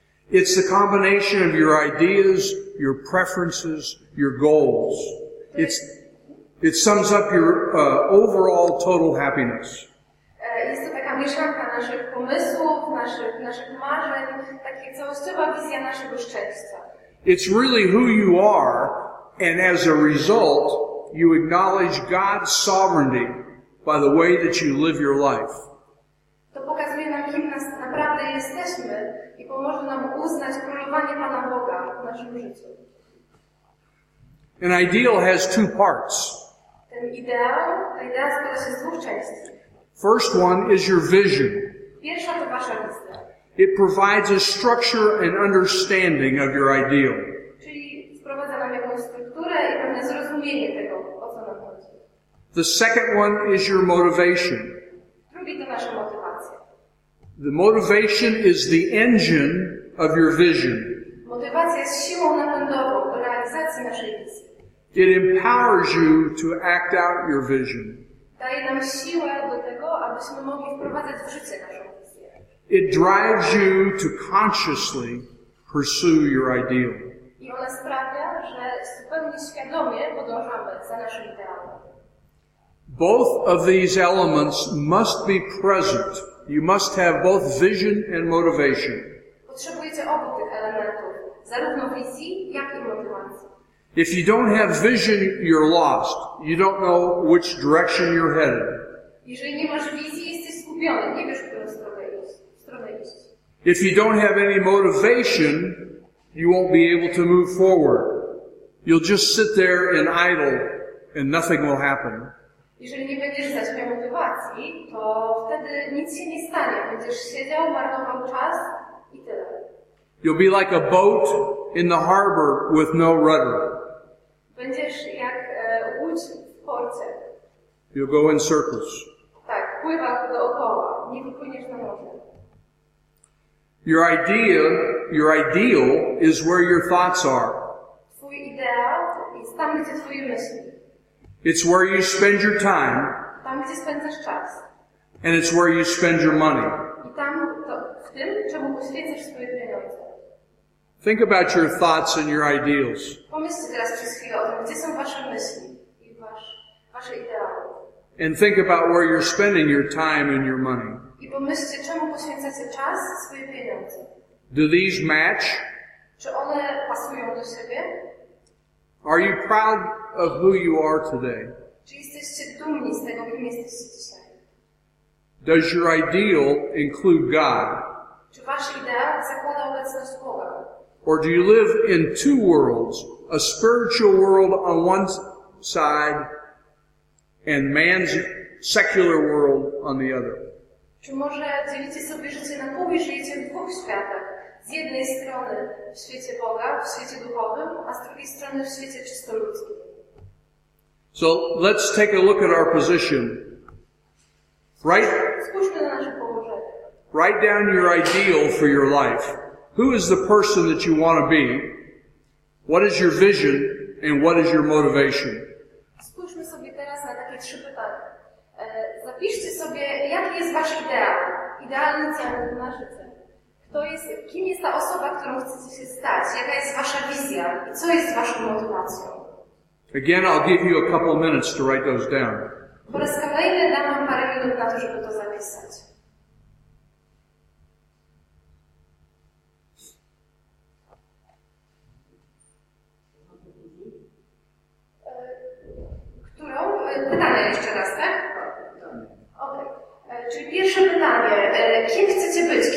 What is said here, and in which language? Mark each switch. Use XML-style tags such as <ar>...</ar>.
<en>It's the combination of your ideas, your preferences, your goals. It sums up your overall total happiness.</en> <pl>Jest to taka mieszanka naszych pomysłów, naszych marzeń, takie całościowa wizja naszego szczęścia.</pl> <en>It's really who you are, and as a result, you acknowledge God's sovereignty by the way that you live your life.</en> <pl>To pokazuje nam, kim nas naprawdę jesteśmy. Pomoże nam uznać królowanie Pana Boga w naszym życiu.</pl> <en>An ideal has two parts.</en> <pl>Ta idea składa się z dwóch części.</pl> <en>First one is your vision.</en> <pl>Pierwsza to wasza wizja.</pl> <en>It provides a structure and understanding of your ideal.</en> <pl>Czyli wprowadza nam jakąś strukturę i pewne zrozumienie tego, o co nam chodzi.</pl> <en>The second one is your motivation.</en> <pl>Drugi to nasza motywacja.</pl> <en>The motivation is the engine of your vision.</en> <pl>Motywacja jest siłą napędową do realizacji naszej wizji.</pl> <en>It empowers you to act out your vision.</en> <pl>Daje nam siłę do tego, abyśmy mogli wprowadzać w życie naszą wizję.</pl> <en>It drives you to consciously pursue your ideal.</en> <pl>I ona sprawia, że zupełnie świadomie podążamy za naszym idealem.</pl> <en>Both of these elements must be present. You must have both vision and motivation.</en> <pl>Potrzebujecie obu tych elementów, zarówno wizji, jak i motywacji.</pl> <en>If you don't have vision, you're lost. You don't know which direction you're headed.</en> <pl>Jeżeli nie masz wizji, jesteś skupiony, nie wiesz, w którą stronę iść.</pl> <en>If you don't have any motivation, you won't be able to move forward. You'll just sit there and idle, and nothing will happen.</en> <pl>Jeżeli nie będziesz znać miał motywacji, to wtedy nic się nie stanie. Będziesz siedział, marnował czas i tyle.</pl> <en>You'll be like a boat in the harbor with no rudder.</en> <pl>Będziesz jak łódź w porcie.</pl> <en>You'll go in circles.</en> <pl>Tak, pływasz dookoła, nie wypłyniesz na morze.</pl> <en>Your idea, your ideal is where your thoughts are.</en> <pl>Twój ideał jest tam, gdzie twoje myśli.</pl> <en>It's where you spend your time.</en> <pl>Tam, gdzie spędzasz czas.</pl> <en>And it's where you spend your money.</en> <pl>I tam, to, w tym, czemu poświęcasz swoje pieniądze.</pl> <en>Think about your thoughts and your ideals.</en> <pl>Pomyślcie teraz przez chwilę o tym, gdzie są wasze myśli i wasze ideały.</pl> <en>And think about where you're spending your time and your money.</en> <pl>I pomyślcie, czemu poświęcacie czas i swoje pieniądze.</pl> <en>Do these match?</en> <pl>Czy one pasują do siebie?</pl> <en>Are you proud of who you are today?</en> <pl>Czy jesteście dumni z tego, kim jesteście dzisiaj?</pl> <en>Does your ideal include God?</en> <pl>Czy wasz ideał zakłada obecność Boga?</pl> <en>Or do you live in two worlds, a spiritual world on one side and man's secular world on the other?</en> <pl>Czy może dzielicie sobie życie na pół i żyjecie w dwóch światach? Z jednej strony w świecie Boga, w świecie duchowym, a z drugiej strony w świecie czysto ludzkim.</pl> <en>So let's take a look at our position. Right?</en> <pl>Spójrzmy na nasze położenie.</pl> <en>Write down your ideal for your life. Who is the person that you want to be? What is your vision and what is your motivation?</en> <pl>Spójrzmy sobie teraz na takie trzy pytania. Zapiszcie sobie, jaki jest wasz ideał, idealny cel lub marzenie. Kto jest, kim jest ta osoba, którą chcecie się stać? Jaka jest wasza wizja i co jest waszą motywacją?</pl> <en>Again, I'll give you a couple minutes to write those down.</en> <pl>Po raz kolejny dam wam parę minut na to, żeby to zapisać. Pytanie jeszcze raz, tak? Okay. Czyli pierwsze pytanie. Kim chcecie być?</pl>